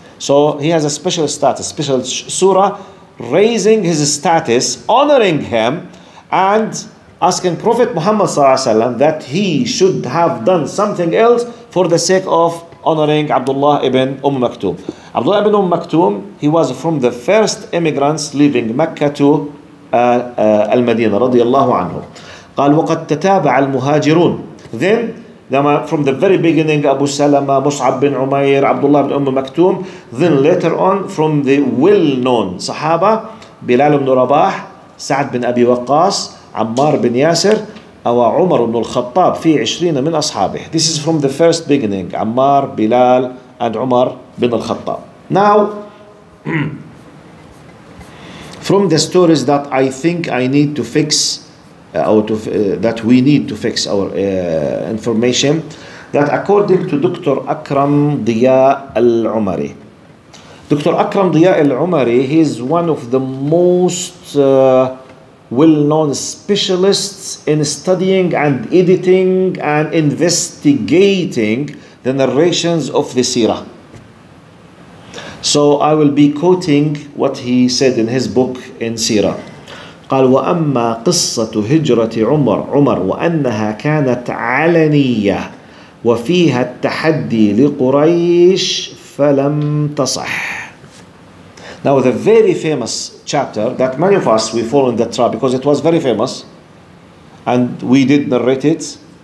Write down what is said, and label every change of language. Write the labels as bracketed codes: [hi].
[en] So he has a special status, special surah, raising his status, honoring him, and asking Prophet Muhammad sallallahu alaihi wasallam that he should have done something else for the sake of honoring Abdullah ibn Maktoum. Abdullah ibn Maktoum, he was from the first immigrants leaving Mecca to Al-Madinah, radiyallahu anhu. [ar] قال وقد تتابع المهاجرون. [en] Then, from the very beginning, Abu Salama, Mus'ab bin Umair, Abdullah ibn Maktoum. Then later on, from the well-known Sahaba, Bilal ibn Rabah, Sa'd bin Abi Waqqas, Ammar bin Yasir, awa Umar ibn al-Khattab, [ar] fi 20 min ashabih. [en] This is from the first beginning, Ammar, Bilal, and Umar bin al-Khattab. Now, from the stories that I think I need to fix, that we need to fix our information, that according to Dr. Akram Diya al-Umari, Dr. Akram Diya al-Umari, he is one of the most well-known specialists in studying and editing and investigating the narrations of the Seerah. So I will be quoting what he said in his book in Seerah. [ar] قال وأما قصة هجرة عمر وأنها كانت علنية وفيها التحدي لقريش فلم تصح. [en] Now the very famous chapter that many of us we fall in the trap because it was very famous and we did narrate it.